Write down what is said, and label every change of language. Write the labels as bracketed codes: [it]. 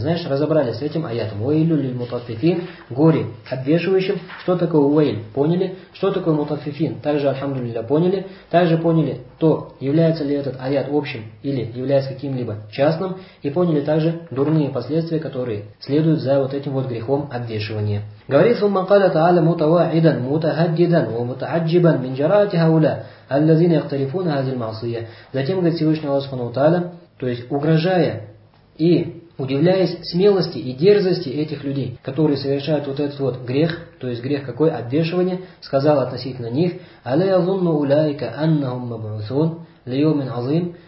[ru] Знаешь, разобрались с этим аятом. Уайлюль мутаффифин, горе обвешивающим. Что такое уайль? Поняли. Что такое мутаффифин? Также альхамдулилля поняли. Также поняли то, является ли этот аят общим или является каким-либо частным. И поняли также дурные последствия, которые следуют за вот этим вот грехом обвешивания. Говорит, [ar] ثم قال تعالى متواعدا متهددا ومتعجبا من جرأة هؤلاء الذين يختلفون هذه المعصية. [ru] Затем говорит Всевышний Аллах Субхану ва Тааля, то есть угрожая и удивляясь смелости и дерзости этих людей, которые совершают вот этот вот грех, то есть грех какой? Обвешивание, сказал относительно них: [ar] "Але азунну уляйка аннахум мабуусун лийомин азим".